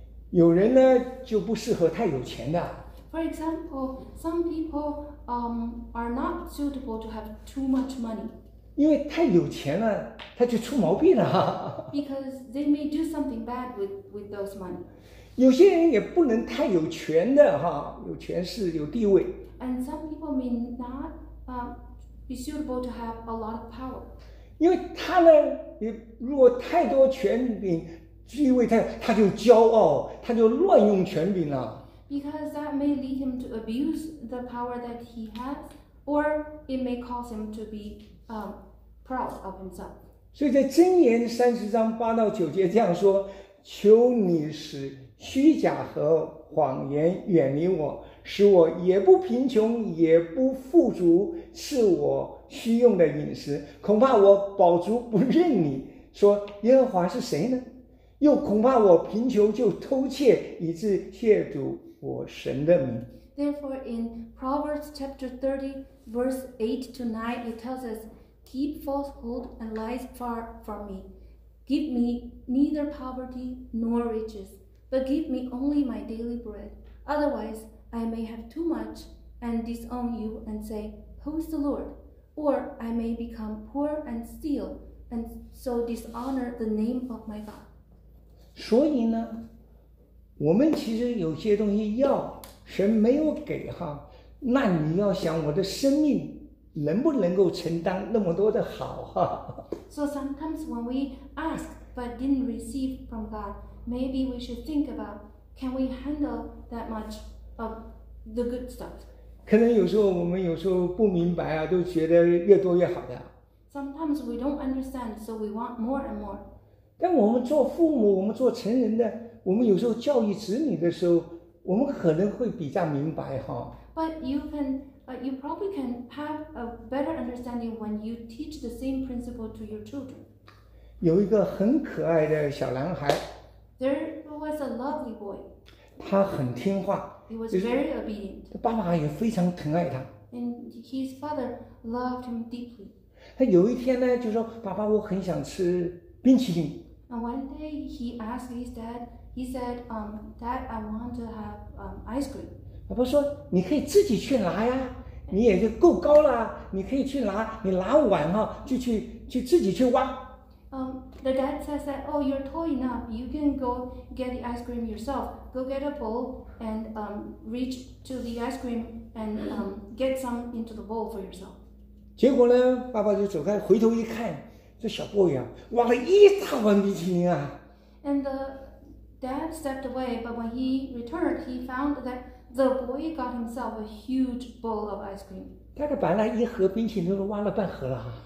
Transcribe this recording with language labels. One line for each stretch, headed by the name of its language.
Chinese: 有人呢就不适合太有钱的。
English: For example, some people are not suitable to have too much money.
Chinese: 因为太有钱了他就出毛病了。
English: Because they may do something bad with those money.
Chinese: 有些人也不能太有权的哈，有权势有地位。
English: And some people may not be suitable to have a lot of power.
Chinese: 因为他呢，你如果太多权柄、地位，他就骄傲，他就乱用权柄了。
English: Because that may lead him to abuse the power that he has, or it may cause him to be proud of himself.
Chinese: 所以在箴言三十章八到九节这样说：求你使虚假和谎言远离我，使我也不贫穷也不富足，赐我需用的饮食，恐怕我饱足不认你，说耶和华是谁呢？又恐怕我贫穷就偷窃，以致亵渎我神的名。
English: Therefore in Proverbs chapter 30 verse 8 to 9 it tells us, keep falsehood and lies far from me, give me neither poverty nor richesBut give me only my daily bread. Otherwise, I may have too much and disown you and say, Who is the Lord? Or I may become poor and steal and so dishonor the name of my God.
Chinese: 所以呢，我们其实有些东西要，神没有给哈，那你要想我的生命能不能够承担那么多的好哈。
English: So sometimes when we ask but didn't receive from God,Maybe we should think about, can we handle that much of the good stuff?
Chinese: 可能有时候我们有时候不明白啊，都觉得越多越好的。
English: Sometimes we don't understand, so we want more and more.
Chinese: 但我们做父母，我们做成人的，我们有时候教育子女的时候，我们可能会比较明白哈。
English: But you probably can have a better understanding when you teach the same principle to your children.
Chinese: 有一个很可爱的小男孩。
English: There was a lovely boy.
Chinese: 他很听话。
English: He was very obedient.
Chinese: 爸爸也非常疼爱他。
English: And his father loved him deeply.
Chinese: 他有一天呢，就说：“爸爸，我很想吃冰淇淋。”
English: And one day he asked his dad. He said, "Dad, I want to have ice cream."
Chinese: 爸爸说：“你可以自己去拿呀。” 你也就够高了，你可以去拿，你拿碗哈、啊，就去自己去挖。
English: The dad says that, oh, you're tall enough, you can go get the ice cream yourself. Go get a bowl and reach to the ice cream and get some into the bowl for yourself.
Chinese: 结果呢，爸爸就走开，回头一看，这小 boy 啊，挖了一大碗冰淇淋啊。
English: And the dad stepped away, but when he returned, he found that. The boy got himself a huge bowl of ice cream.
Chinese: 他就把那一盒冰淇淋都挖了半盒了哈。